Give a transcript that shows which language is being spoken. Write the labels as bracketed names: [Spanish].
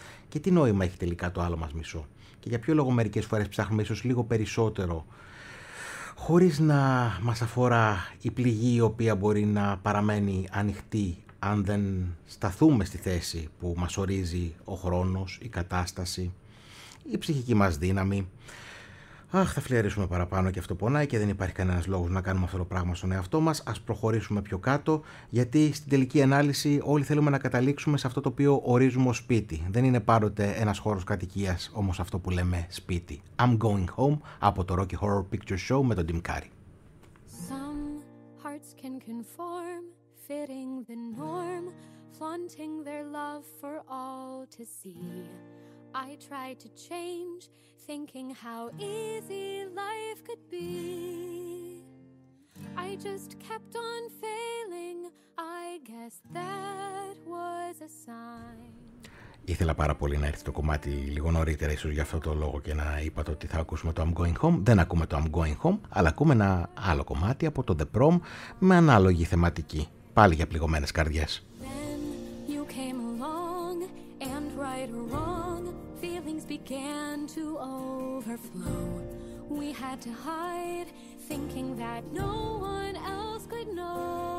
[Greek] Και τι νόημα έχει τελικά το άλλο μας μισό. Και για ποιο λόγο μερικές φορές ψάχνουμε ίσως λίγο περισσότερο, χωρίς να μας αφορά η πληγή η οποία μπορεί να παραμένει ανοιχτή αν δεν σταθούμε στη θέση που μας ορίζει ο χρόνος, η κατάσταση, η ψυχική μας δύναμη. Αχ, θα φλιαρίσουμε παραπάνω και αυτό πονάει και δεν υπάρχει κανένας λόγος να κάνουμε αυτό το πράγμα στον εαυτό μας. Ας προχωρήσουμε πιο κάτω, γιατί στην τελική ανάλυση όλοι θέλουμε να καταλήξουμε σε αυτό το οποίο ορίζουμε ως σπίτι. Δεν είναι πάντοτε ένας χώρος κατοικίας όμως αυτό που λέμε σπίτι. I'm going home από το Rocky Horror Picture Show με τον Tim Curry. [English] Some hearts can conform, fitting the norm, flaunting their love for all to see. I try to change, thinking how easy life could be. I just kept on failing, I guess that was a sign. [Greek] Ήθελα πάρα πολύ να έρθει το κομμάτι λίγο νωρίτερα, ίσως για αυτό το λόγο και να είπα το ότι θα ακούσουμε το I'm going home. Δεν ακούμε το I'm going home, αλλά ακούμε ένα άλλο κομμάτι από το The Prom με ανάλογη θεματική, πάλι για πληγωμένες καρδιές. [English] Then you came along and right or wrong, feelings began to overflow. We had to hide, thinking that no one else could know.